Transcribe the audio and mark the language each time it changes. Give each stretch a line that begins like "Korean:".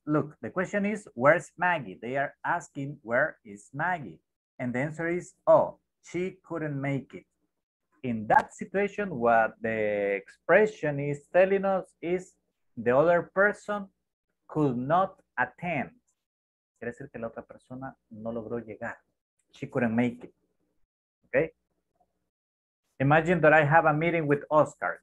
English: Look, the question is, where's Maggie? They are asking, where is Maggie? And the answer is, oh, she couldn't make it. In that situation, what the expression is telling us is the other person could not attend.
Spanish: Quiere decir que la otra persona no logró llegar.
English: She couldn't make it. Okay? Imagine that I have a meeting with Oscar.